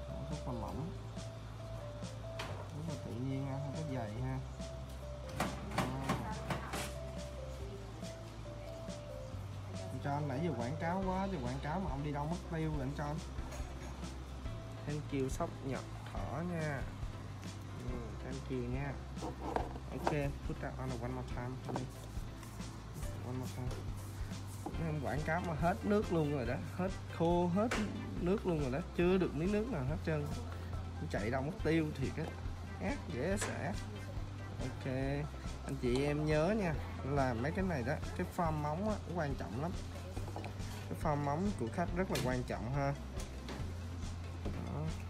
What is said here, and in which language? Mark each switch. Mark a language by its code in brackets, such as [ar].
[vi] Rất là mỏng. Rất là tự nhiên ha, không có dày ha. Cho anh nãy giờ quảng cáo quá, giờ quảng cáo mà ông đi đâu mất tiêu rồi anh cho anh. [en] Thank you [vi] sóc nhật thở nha. [en] Thank you nha. Ok, put that on one more time please. One more time. [vi] Em quảng cáo mà hết nước luôn rồi đó, hết khô hết nước luôn rồi đó, chưa được miếng nước nào hết trơn, chạy đâu mất tiêu thiệt á, ác dễ sẽ. Ok, anh chị em nhớ nha, làm mấy cái này đó, cái form móng á quan trọng lắm, cái form móng của khách rất là quan trọng ha. Đó.